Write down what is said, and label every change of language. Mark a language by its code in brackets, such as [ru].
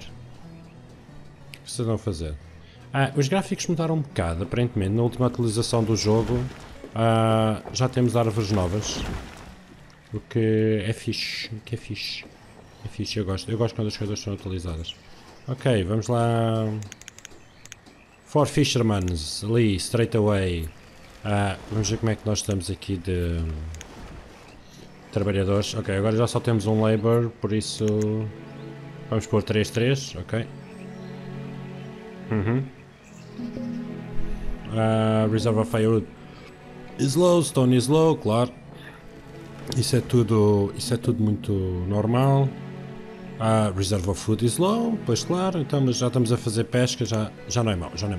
[pt] O que vocês vão fazer? Os gráficos mudaram um bocado, aparentemente. Na última atualização do jogo, já temos árvores novas. O que é fixe. O que é fixe. É fixe, eu gosto quando as coisas são atualizadas. Ok, vamos lá. [en] For Fishermans, ali, straight away. [pt] Vamos ver como é que nós estamos aqui de trabalhadores. Ok, agora já só temos um labor, por isso vamos pôr 3-3, ok. [en] Reserve of firewood is low, stone is low, [pt] claro. Isso é tudo muito normal. [en] Reserve of food is low, [pt] pois claro, então já estamos a fazer pesca, já não é mau.